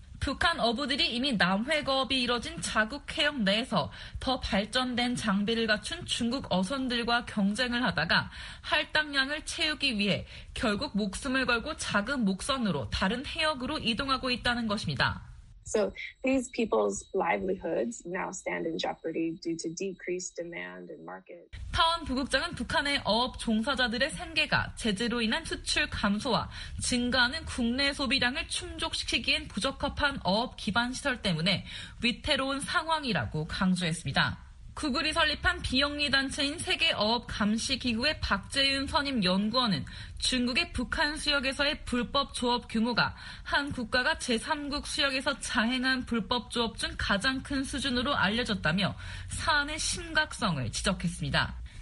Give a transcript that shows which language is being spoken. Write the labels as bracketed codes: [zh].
[ko] 북한 어부들이 이미 남획업이 이뤄진 자국 해역 내에서 더 발전된 장비를 갖춘 중국 어선들과 경쟁을 하다가 할당량을 채우기 위해 결국 목숨을 걸고 작은 목선으로 다른 해역으로 이동하고 있다는 것입니다. [en] So these people's livelihoods now stand in jeopardy due to decreased demand and market. [ko] 타원 부국장은 북한의 어업 종사자들의 생계가 제재로 인한 수출 감소와 증가하는 국내 소비량을 충족시키기엔 부적합한 어업 기반 시설 때문에 위태로운 상황이라고 강조했습니다. 구글이 설립한 비영리 단체인 세계어업감시기구의 박재윤 선임 연구원은 중국의 북한 수역에서의 불법 조업 규모가 한 국가가 제3국 수역에서 자행한 불법 조업 중 가장 큰 수준으로 알려졌다며 사안의 심각성을 지적했습니다.